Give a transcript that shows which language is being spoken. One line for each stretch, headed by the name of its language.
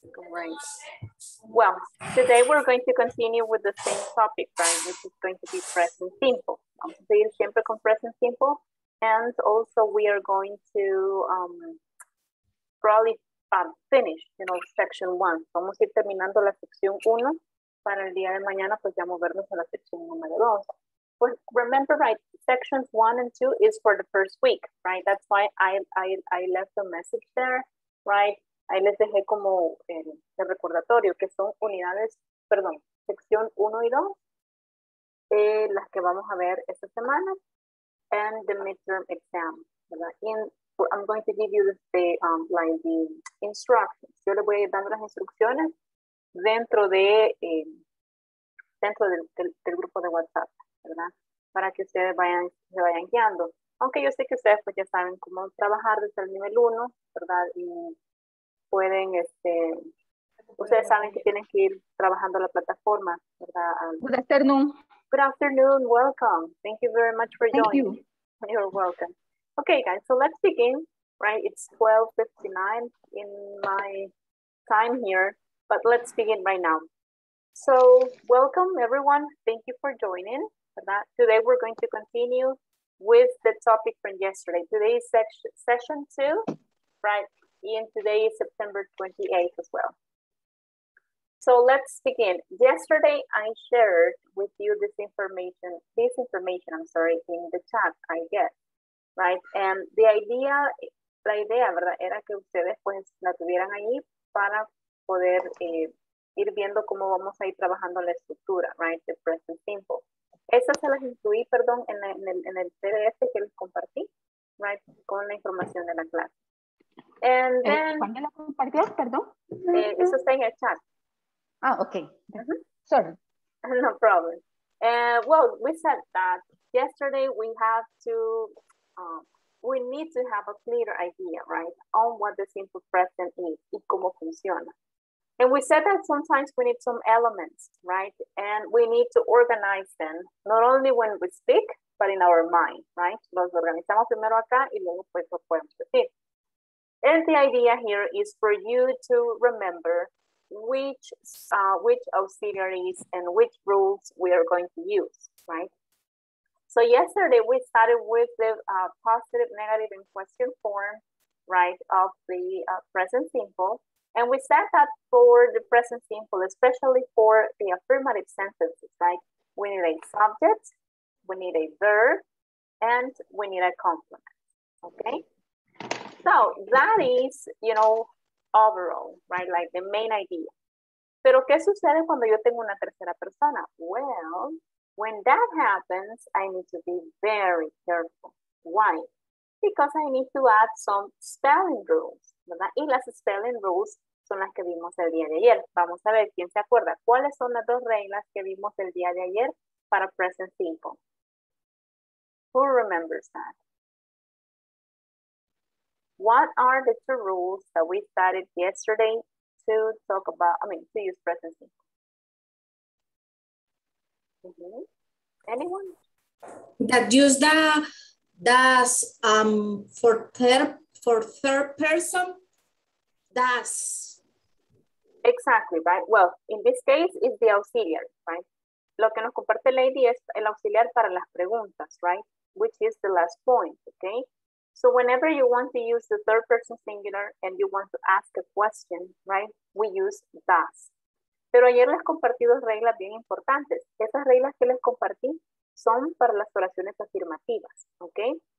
English: Great. Well, today we're going to continue with the same topic, right? Which is going to be present simple.
Spanish: Vamos a seguir siempre con present simple.
English: And also we are going to probably finish, you know, section one.
Spanish: Vamos a ir terminando la sección uno para el día de mañana, pues ya movernos a la sección número dos.
English: But remember, right, sections one and two is for the first week, right? That's why I left a message there, right?
Spanish: Ahí les dejé como el recordatorio, que son unidades, perdón, sección 1 y 2, las que vamos a ver esta semana,
English: and the midterm exam,
Spanish: ¿verdad?
English: And I'm going to give you like the instructions.
Spanish: Yo les voy a dar las instrucciones dentro, de, dentro del grupo de WhatsApp, ¿verdad? Para que ustedes vayan, se vayan guiando. Aunque yo sé que ustedes pues, ya saben cómo trabajar desde el nivel 1, ¿verdad? Y pueden, ustedes saben que tienen que ir trabajando la plataforma, ¿verdad?
English: Good afternoon. Good afternoon, welcome. Thank you very much for joining. Thank you. You're welcome. Okay, guys, so let's begin, right? It's 12:59 in my time here, but let's begin right now. So, welcome everyone. Thank you for joining, ¿verdad? Today we're going to continue with the topic from yesterday. Today is session two, right? And today is September 28th as well. So let's begin. Yesterday, I shared with you this information in the chat, I guess, right? And
Spanish: la idea, ¿verdad? Era que ustedes, pues, la tuvieran ahí para poder ir viendo cómo vamos a ir trabajando la estructura,
English: right? The present simple.
Spanish: Esa se las incluí, perdón, en el PDF que les compartí, right? Con la información de la clase.
English: And then,
Spanish: ¿cuándo la compartías? Perdón. Eso está en el chat.
English: Ah, okay. Uh-huh. Sorry. No problem. Well, we said that yesterday we have to, we need to have a clear idea, right, on what the simple present is
Spanish: y cómo funciona.
English: And we said that sometimes we need some elements, right, and we need to organize them, not only when we speak, but in our mind, right?
Spanish: Los organizamos primero acá y luego pues lo podemos decir.
English: And the idea here is for you to remember which auxiliaries and which rules we are going to use, right? So yesterday we started with the positive, negative, and question form, right, of the present simple. And we said that for the present simple, especially for the affirmative sentences, right, we need a subject, we need a verb, and we need a complement, okay? So that is, you know, overall, right? Like the main idea.
Spanish: Pero ¿qué sucede cuando yo tengo una tercera persona?
English: Well, when that happens, I need to be very careful. Why? Because I need to add some spelling rules, ¿verdad?
Spanish: Y las spelling rules son las que vimos el día de ayer. Vamos a ver, ¿quién se acuerda? ¿Cuáles son las dos reglas que vimos el día de ayer para present simple?
English: Who remembers that? What are the two rules that we started yesterday to talk about, I mean, to use present simple? Mm-hmm. Anyone? That use the, does, for third person, does. Exactly, right? Well, in this case, it's the auxiliary, right?
Spanish: Lo que nos comparte Lady es el auxiliar para las preguntas, right?
English: Which is the last point, okay? So whenever you want to use the third person singular and you want to ask a question, right, we use does.
Spanish: Pero ayer les compartí dos reglas bien importantes. Esas reglas que les compartí son para las oraciones afirmativas, okay?